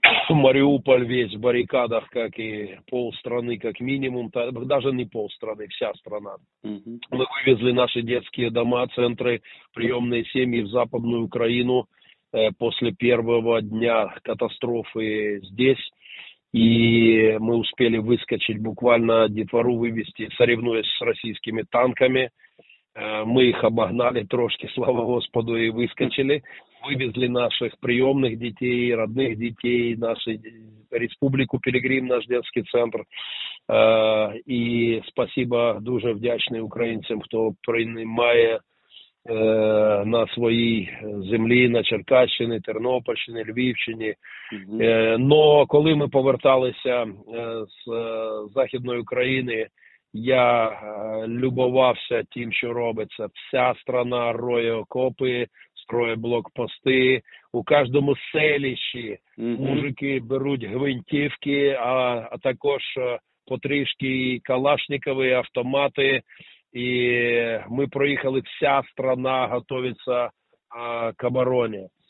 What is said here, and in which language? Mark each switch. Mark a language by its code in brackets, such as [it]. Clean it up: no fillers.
[uk] Маріуполь весь в барикадах, як і полстрани, як мінімум, навіть не полстрани, вся страна. Ми вивезли наші дитячі дома, центри, прийомні сім'ї в Західну Україну після першого дня катастрофи здесь. [ru] И мы успели выскочить буквально детвору вывести, соревнуясь с российскими танками. Мы их обогнали трошки, слава Господу, и выскочили. Вывезли наших приемных детей, родных детей, нашу республику Пилигрим, наш детский центр. И спасибо, [uk] дуже вдячний [ru] украинцам, кто принимает на [uk] своїй землі, [ru] на Черкащині, Тернопільщині, Львівщині. [uk] Но коли ми поверталися з Західної України, я любувався тим, що робиться. [ru] Вся страна [uk] роє окопи, строє блокпости. У кожному селищі мужики беруть гвинтівки, а також потрішки калашникові автомати. [ru] И мы проехали, вся страна готовится к обороне.